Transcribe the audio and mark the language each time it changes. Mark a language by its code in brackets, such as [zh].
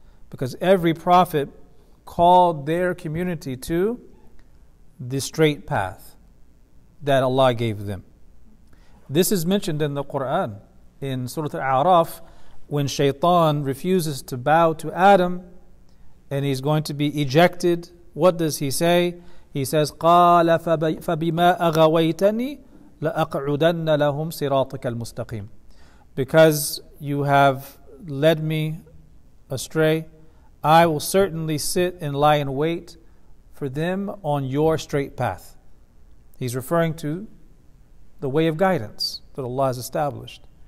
[en] Because every prophet called their community to the straight path that Allah gave them. This is mentioned in the Quran. In Surah Al-A'raf, when Shaytan refuses to bow to Adam and he's going to be ejected, what does he say? He says, [ar] قَالَ فَبِمَا أَغَوَيْتَنِي لَأَقْعُدَنَّ لَهُمْ صِرَاطِكَ الْمُسْتَقِيمِ. [en] Because you have led me astray, I will certainly sit and lie in wait for them on your straight path. He's referring to the way of guidance that Allah has established.